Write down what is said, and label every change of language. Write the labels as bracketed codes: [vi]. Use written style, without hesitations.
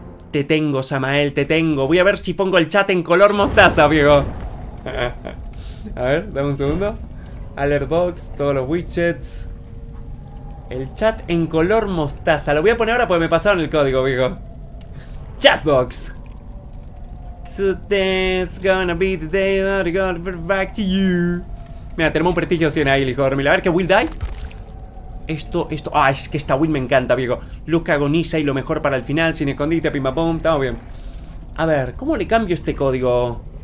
[es] Te tengo, Samael, te tengo. Voy a ver si pongo el chat en color mostaza, amigo. A ver, dame un segundo. Alertbox, todos los widgets. El chat en color mostaza. Lo voy a poner ahora porque me pasaron el código, amigo. Chatbox. [en] Today's gonna be the day that we're gonna be back to you. [es] Mira, tenemos un prestigio 100 ahí, hijo de dormir. A ver, que Will die. Esto, ah, es que esta Will me encanta, viejo. Luz que agoniza y lo mejor para el final. Sin escondite, pim pam pum, estamos bien. A ver, ¿cómo le cambio este código?